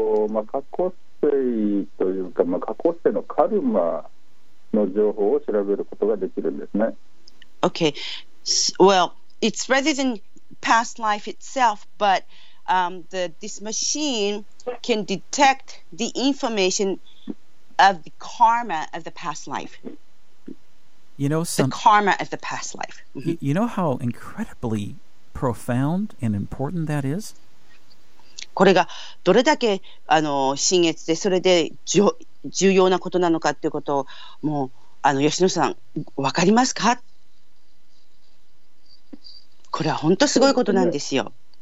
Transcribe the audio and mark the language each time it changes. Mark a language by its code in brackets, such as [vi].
[ja] まあ、過去というか、まあ、過去世のカルマの情報を調べることができるんですね。 [en] Okay. Well, it's rather than past life itself, but this machine can detect the information of the karma of the past life. You know, the karma of the past life. You know how incredibly profound and important that is? [ja] これがどれだけ新月でそれで重要なことなのかということをもう吉野さん分かりますか？これは本当すごいことなんですよ。